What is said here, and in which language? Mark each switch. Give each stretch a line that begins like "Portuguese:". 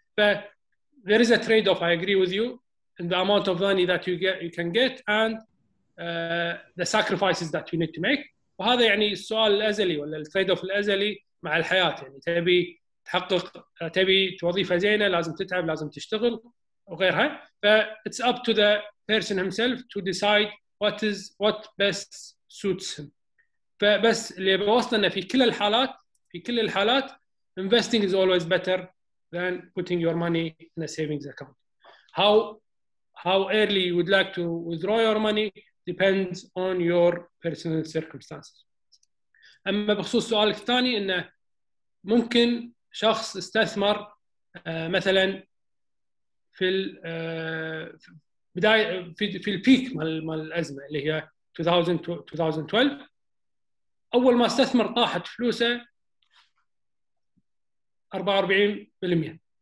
English: But there is a trade-off, I agree with you, in the amount of money that you can get and the sacrifices that you need to make.
Arabic: وهذا يعني السؤال الأزلي ولا التريد-أوف الأزلي مع الحياة. يعني تبي تحقق تبي توظيفة زينة لازم تتعب لازم تشتغل وغيرها.
English: It's up to the person himself to decide what best suits him.
Arabic: فبس اللي بوصلنا في كل الحالات
English: investing is always better than putting your money in a savings account. How early you would like to withdraw your money depends on your personal circumstances.
Arabic: أما بخصوص سؤالك الثاني إنه ممكن شخص استثمر مثلا في بداية في البيك مال الأزمة اللي هي 2012 أول ما استثمر طاحت فلوسه 44%.